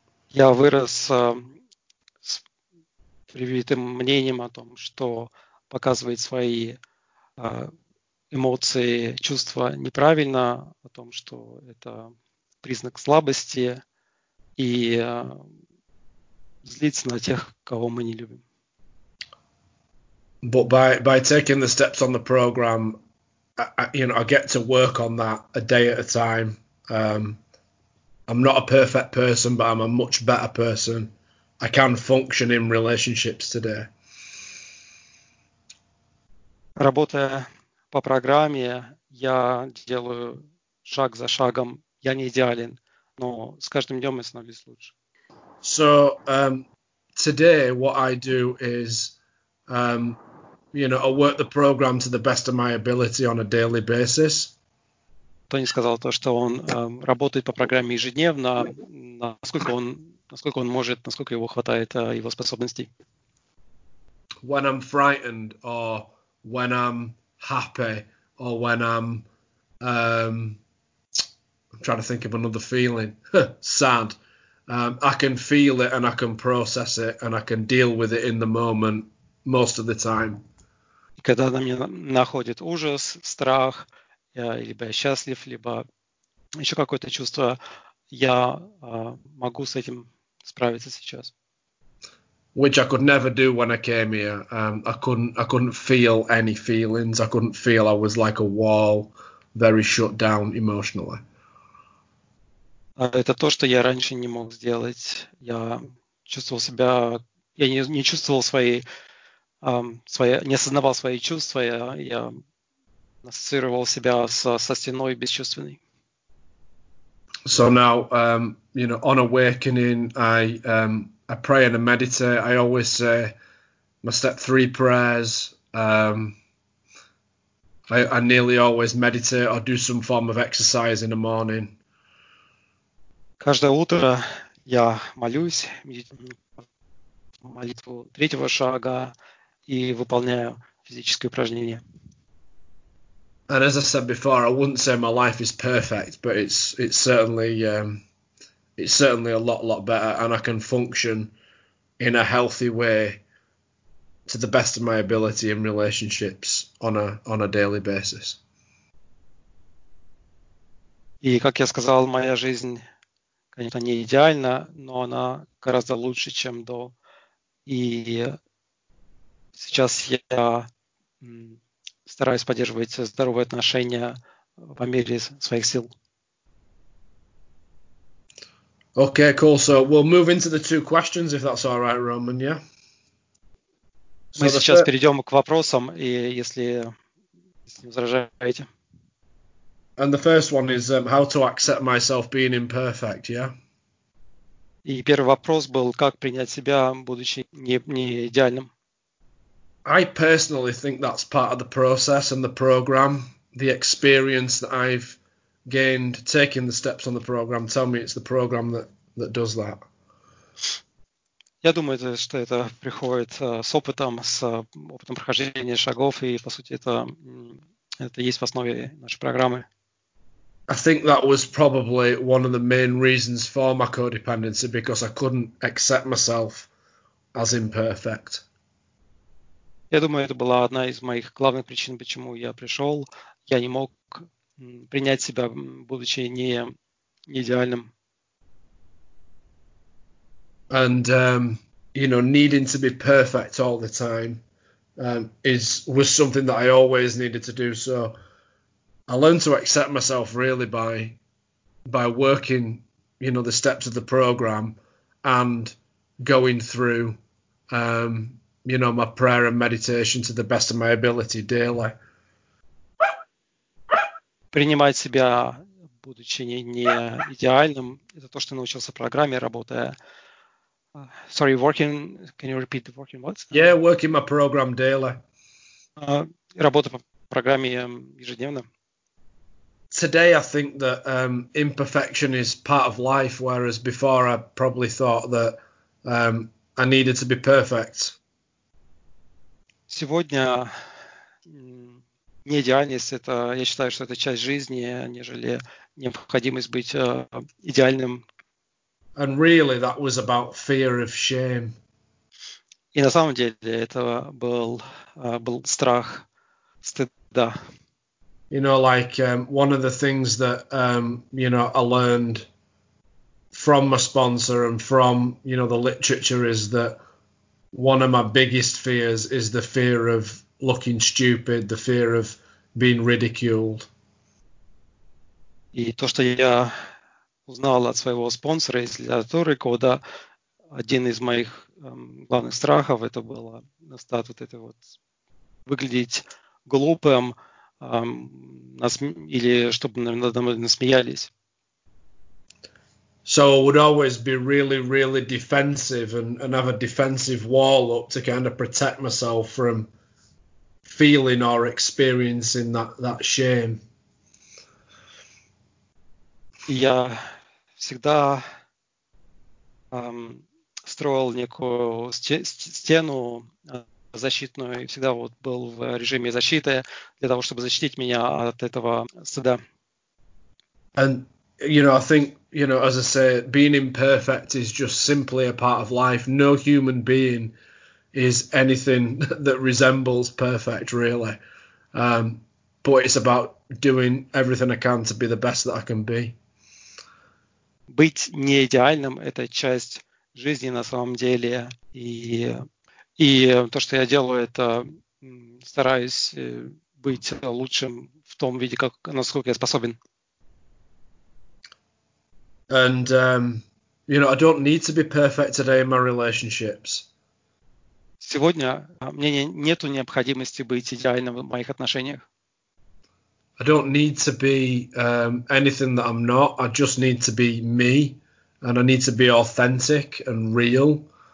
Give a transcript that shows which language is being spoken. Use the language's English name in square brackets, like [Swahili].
[Russian] Я вырос с привитым мнением о том, что показывать свои эмоции, чувства неправильно, о том, что это признак слабости и злиться на тех, кого мы не любим. [English] But by taking the steps on the program, I get to work on that a day at a time. I'm not a perfect person, but I'm a much better person. I can function in relationships today. [Russian] Работая по программе, я делаю шаг за шагом. Я не идеален, но с каждым днем я становлюсь лучше. [English] So today what I do is, I work the program to the best of my ability on a daily basis. [Russian] Тони сказал то, что он работает по программе ежедневно, насколько он может, насколько его хватает его способностей. [English] When I'm frightened or when I'm happy or when I'm trying to think of another feeling, sad. I can feel it and I can process it and I can deal with it in the moment most of the time. [Russian] Когда на меня находит ужас, страх, я либо я счастлив, либо еще какое-то чувство, я могу с этим справиться сейчас. [English] Which I could never do when I came here. I couldn't feel any feelings. I couldn't feel. I was like a wall, very shut down emotionally. [Russian] Это то, что я раньше не мог сделать. Я чувствовал себя, я не чувствовал не осознавал свои чувства. Я ассоциировал себя со стеной бесчувственной. [English] So now, on awakening, I pray and I meditate. I always say my step three prayers. I nearly always meditate or do some form of exercise in the morning. [Russian] Каждое утро я молюсь, молитву третьего шага и выполняю физические упражнения. [English] And as I said before, I wouldn't say my life is perfect, but it's certainly a lot better, and I can function in a healthy way to the best of my ability in relationships on a daily basis. [Russian] И как я сказал, моя жизнь, конечно, не идеальна, но она гораздо лучше, чем до. И сейчас я стараюсь поддерживать здоровые отношения по мере своих сил. [English] Okay, cool. So we'll move into the two questions, if that's all right, Roman, yeah? [Russian] So мы сейчас перейдем к вопросам, и если не возражаете. [English] And the first one is how to accept myself being imperfect, yeah? [Russian] И первый вопрос был, как принять себя, будучи не идеальным. [English] I personally think that's part of the process and the program, the experience that I've gained taking the steps on the program. Tell me it's the program that does that. [Russian] Я думаю, что это приходит с опытом, с опытом прохождения шагов, и, по сути, это есть в основе нашей программы. [English] I think that was probably one of the main reasons for my codependency, because I couldn't accept myself as imperfect. [Russian] Я думаю, это была одна из моих главных причин, почему я пришел. Я не мог принять себя, будучи не идеальным. [English] And needing to be perfect all the time was something that I always needed to do. So I learned to accept myself really by working, the steps of the program and going through my prayer and meditation to the best of my ability daily. [Russian] Принимать себя, будучи не идеальным, это то, что научился программе, работая. [English] Sorry, working. Can you repeat the working what? Yeah, working my program daily. [Russian] Работа по программе ежедневно. [English] Today, I think that imperfection is part of life, whereas before I probably thought that I needed to be perfect. [Russian] Сегодня неидеальность, это я считаю, что это часть жизни, нежели необходимость быть идеальным. [English] And really, that was about fear of shame. [Russian] И на самом деле это был страх стыда. [English] One of the things that I learned from my sponsor and from the literature is that one of my biggest fears is the fear of looking stupid, the fear of being ridiculed. [Russian] И то, что я узнал от своего спонсора из литературы, когда один из моих главных страхов это было стать вот этой вот выглядеть глупым или чтобы надо мной насмеялись. [English] So I would always be really, really defensive and have a defensive wall up to kind of protect myself from feeling or experiencing that shame. [Russian] Я всегда строил некую стену защитную и всегда вот был в режиме защиты для того, чтобы защитить меня от этого стыда. [English] And you know, I think, you know, as I say, being imperfect is just simply a part of life. No human being is anything that resembles perfect, really. But it's about doing everything I can to be the best that I can be. [Russian] Быть не идеальным – это часть жизни на самом деле. И то, что я делаю, это стараюсь быть лучшим в том виде, как, насколько я способен. [English] And you know, I don't need to be perfect today in my relationships. [Russian] Сегодня мне нету необходимости быть идеальным в моих отношениях. [English] I don't need to be anything that I'm not. I just need to be me, and I need to be authentic and real.